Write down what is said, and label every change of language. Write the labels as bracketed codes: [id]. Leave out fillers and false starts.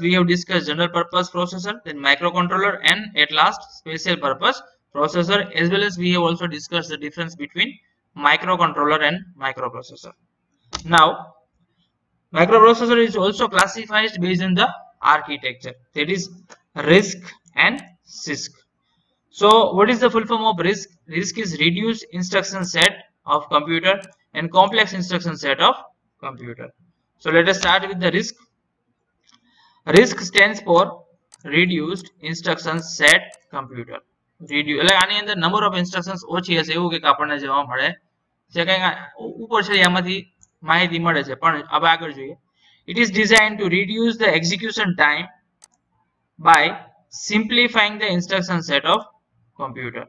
[en] We have discuss general purpose processor, then micro controller and at last special purpose processor, as well as we have also discuss the difference between micro controller and micro processor. Now micro processor is also classified base in the architecture, that is RISC and CISC. So, what is the full form of RISC? RISC is Reduced Instruction Set of Computer and Complex Instruction Set of Computer. So, let us start with the RISC. RISC stands for Reduced Instruction Set Computer. [gu] એટલે આની અંદર number of instructions ઓછી હશે એવું કે આપણને જોવા મળે છે, કંઈક ઉપર છે એમાંથી માહિતી મળે છે. પણ હવે આગળ જોઈએ, [en] It is design to reduce the execution time by simplifying the instruction set of computer.